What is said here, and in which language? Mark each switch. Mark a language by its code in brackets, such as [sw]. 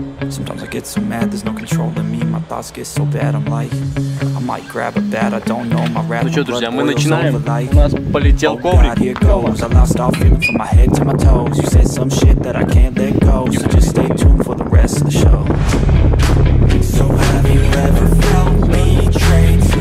[en] Sometimes I get so mad, there's no control in me. My thoughts get so bad, I'm like, I might grab a bat, I don't know my rap. [ru] Ну что, друзья, мы начинаем. У нас полетел коврик. [en] I lost all feeling from my head to my toes. You said some shit that I can't let go. So just stay tuned for the rest of the show. So have you ever felt betrayed?